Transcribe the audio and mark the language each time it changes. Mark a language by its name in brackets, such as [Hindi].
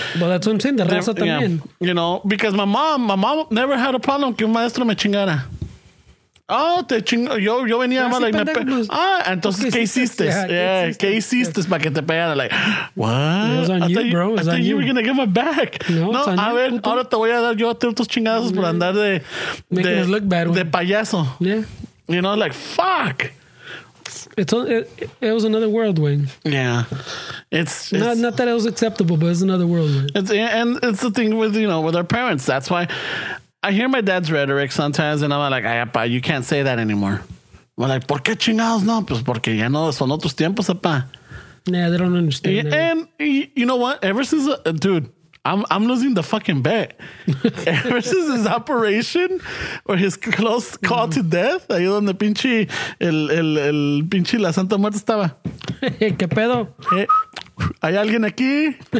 [English] Well, that's what I'm saying. [Spanish] The raza también. [English] Yeah. You know, because my mom never had a problem [Spanish] que un maestro me chingara. Oh, te chingo. Yo venía mal. [English] Like, [Spanish] entonces, ¿qué hiciste? Yeah, ¿qué hiciste para que te pegaran? [English] Like, what? It was on you, bro. I thought you were going to give it back. [Spanish] Ahora te voy a dar yo a ti otros chingados por andar de. [English] Making us look bad. [Spanish] De payaso. [English] Yeah. You know, like, fuck. It was another world, Wayne. Yeah. It's not that it was acceptable, but it's another world, Wayne. And it's the thing with, you know, with our parents. That's why. I hear my dad's rhetoric sometimes, and I'm like, [Spanish] ay, apa, [English] you can't say that anymore. I'm like, [Spanish] ¿por qué chingados no? Pues porque ya no son otros tiempos, apa. [English] Yeah, they don't understand. And you know what? Ever since, dude, I'm losing the fucking bet. Ever since his operation or his close call to death, [Spanish] ahí donde pinche el pinche la Santa Muerte estaba. ¿Qué pedo? ¿Hay alguien aquí?